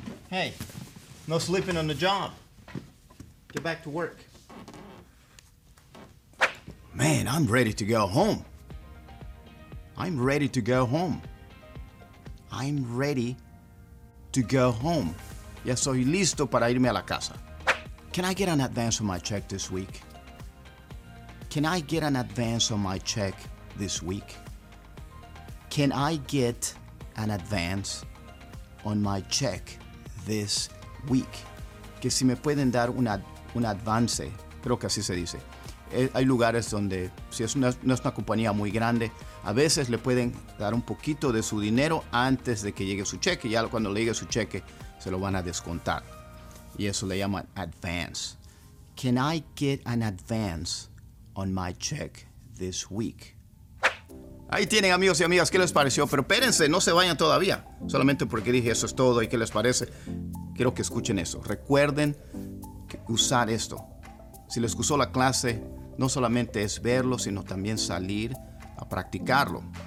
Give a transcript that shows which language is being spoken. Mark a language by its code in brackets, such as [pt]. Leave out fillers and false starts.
[en] Hey, no sleeping on the job. Get back to work. Man, I'm ready to go home. I'm ready to go home. I'm ready to go home. [es] Ya soy listo para irme a la casa. [en] Can I get an advance on my check this week? Can I get an advance on my check this week? Can I get an advance on my check this week? [es] Que si me pueden dar un avance, creo que así se dice. Hay lugares donde, si es una, no es una compañía muy grande, a veces le pueden dar un poquito de su dinero antes de que llegue su cheque. Ya cuando le llegue su cheque, se lo van a descontar. Y eso le llaman advance. [en] Can I get an advance on my check this week? [es] Ahí tienen, amigos y amigas, ¿qué les pareció? Pero espérense, no se vayan todavía. Solamente porque dije eso es todo y ¿qué les parece? Quiero que escuchen eso. Recuerden usar esto. Si les gustó la clase, no solamente es verlo, sino también salir a practicarlo.